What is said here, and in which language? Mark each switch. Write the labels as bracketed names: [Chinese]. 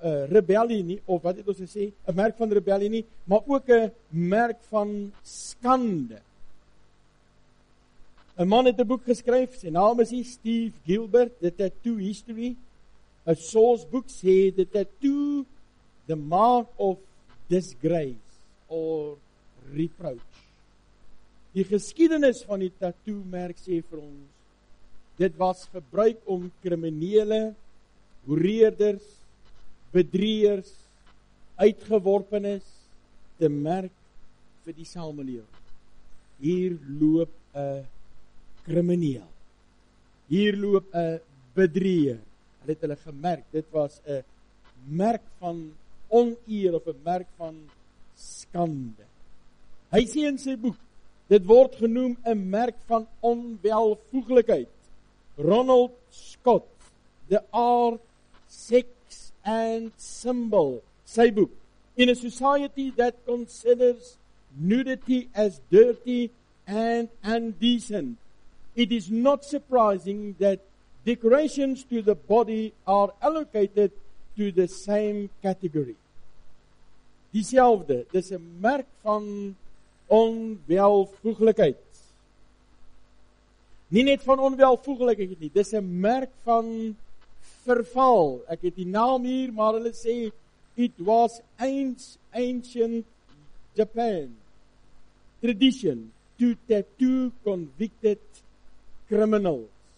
[Afrikaans] rebellie nie, of wat het ons gesê, een merk van rebellie nie, maar ook een merk van skande. Een man het een boek geskryf, sy naam is hier Steve Gilbert, The Tattoo History, een soos boek sê, The Tattoo, The Mark of Disgrace, or Reproach. Die geskiedenis van die tattoo merk sê vir ons, dit was gebruik om kriminele, hoereerders, bedrieërs, uitgeworpenes, te merk vir die samelewing. Hier loop een krimineel. Hier loop een bedrieër. Hulle het hulle gemerk, dit was een merk van oneer of een merk van skande. Hy sê in sy boek, dit word genoem een merk van onwelvoeglikheid. Ronald Scott, The Art, Sex and Symbol, sy boek. [English] In a society that considers nudity as dirty and indecent, it is not surprising that decorations to the body are allocated to the same category. [Afrikaans] Dieselfde, dis 'n merk van onwelvoeglikheid. Nie net van onwelvoeglikheid nie, dis 'n merk van verval. Ek het die naam hier, maar hulle sê, [English] it was ancient Japan tradition to tattoo convicted criminals.